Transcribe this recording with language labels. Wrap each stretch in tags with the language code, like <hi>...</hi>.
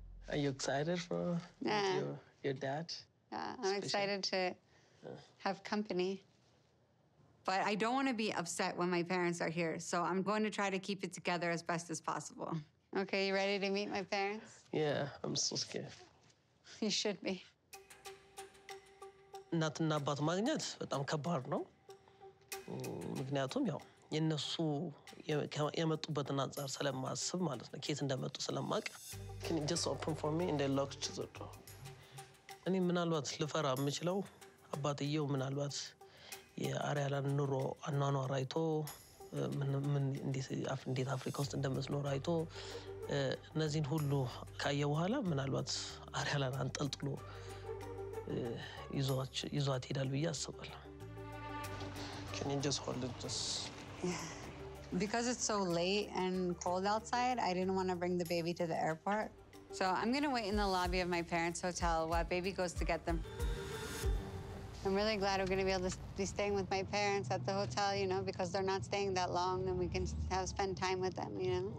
<en>Are you excited for your dad? Yeah, I'm excited to have company. But I don't want to be upset when my parents are here, so I'm going to try to keep it together as best as possible. Okay, you ready to meet my parents? Yeah, I'm so scared. You should be.</en> <am>እናትና አባት ማግኘት በጣም ከባድ ነው። ምክንያቱም ያው የነሱ የመጡበትን አንጻር ስለማስብ ማለት ነው። ኬት እንደመጡ ስለማቅ</am> <en>can you just open for me in the locked chest?</en> <am>እኔ ምናልባት ልፈራ የምችለው አባትየው ምናልባት የአሪያላን ኑሮ አኗኗር አይቶ ምን እንዴት አፍሪካ ውስጥ እንደምትኖር አይቶ እነዚህን ሁሉ ካየ በኋላ ምናልባት አሪያላን አንጠልጥሎ ይዟት ሄዳል ብዬ አስባለሁ።</am> <en>Can you just hold it just? Because it's so late and cold outside, I didn't want to bring the baby to the airport. So I'm going to wait in the lobby of my parents' hotel while baby goes to get them. I'm really glad we're going to be able to be staying with my parents at the hotel, you know, because they're not staying that long and we can spend time with them, you know?</en>